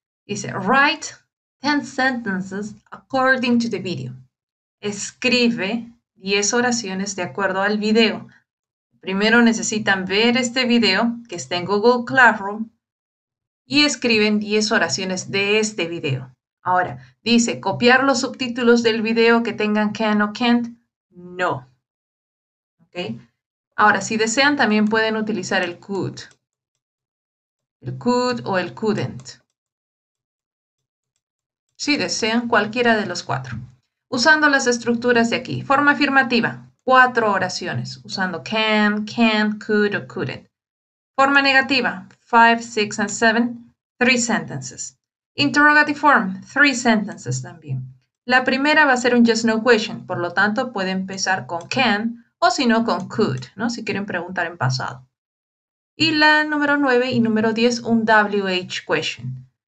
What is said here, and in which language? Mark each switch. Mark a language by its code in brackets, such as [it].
[es] Dice, [en] write 10 sentences according to the video. [es] Escribe 10 oraciones de acuerdo al video. Primero necesitan ver este video que está en Google Classroom y escriben 10 oraciones de este video. Ahora, dice, ¿copiar los subtítulos del video que tengan can o can't? No. ¿Okay? Ahora, si desean, también pueden utilizar el could. El could o el couldn't. Si desean, cualquiera de los cuatro. Usando las estructuras de aquí. Forma afirmativa, 4 oraciones. Usando can, can't, could o couldn't. Forma negativa, [en] 5, 6 and 7, 3 sentences. Interrogative form, 3 sentences [es] también. La primera va a ser un yes no question. Por lo tanto, puede empezar con can o si no con could, ¿no? Si quieren preguntar en pasado. Y la número 9 y número 10, un WH question.